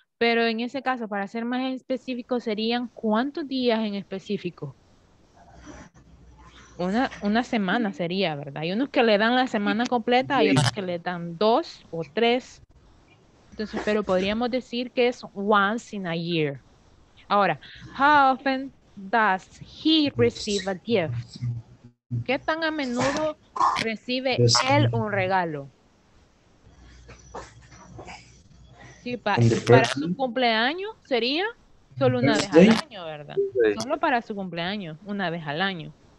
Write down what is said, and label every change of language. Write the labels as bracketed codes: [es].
[es] Pero en ese caso, para ser más específico, serían ¿cuántos días en específico? Una semana sería, ¿verdad? Hay unos que le dan la semana completa, hay otros que le dan 2 o 3. Entonces, pero podríamos decir que es [en] once in a year. Ahora, how often does he receive a gift? [es] ¿Qué tan a menudo recibe él un regalo? Sí, para su cumpleaños sería solo una vez al año, ¿verdad? Solo para su cumpleaños, una vez al año.